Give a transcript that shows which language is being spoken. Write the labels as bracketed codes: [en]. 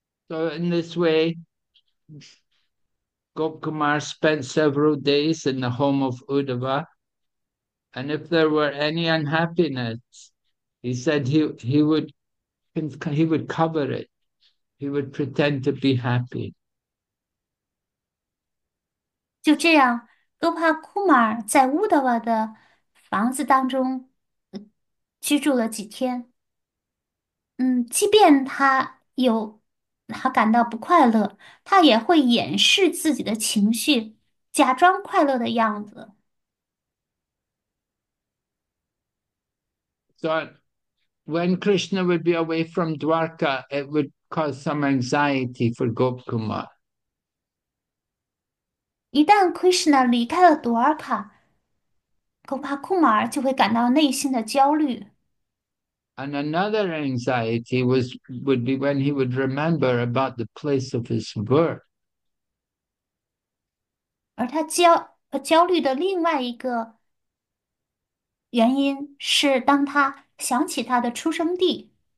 [en] So, in this way, Gopkumar spent several days in the home of Uddhava, and if there were any unhappiness, he said he would cover it. He would pretend to be happy. [zh] 就这样，哥帕库马尔在乌德瓦的房子当中居住了几天。即便他感到不快乐，他也会掩饰自己的情绪，假装快乐的样子。 [en] So when Krishna would be away from Dwarka, it would cause some anxiety for Gopkumar. [zh] 一旦 Krishna 离开了多尔卡，恐怕库马尔就会感到内心的焦虑。 [en] And another anxiety would be when he would remember about the place of his birth. [zh] 而他焦虑的另外一个原因是，当他想起他的出生地。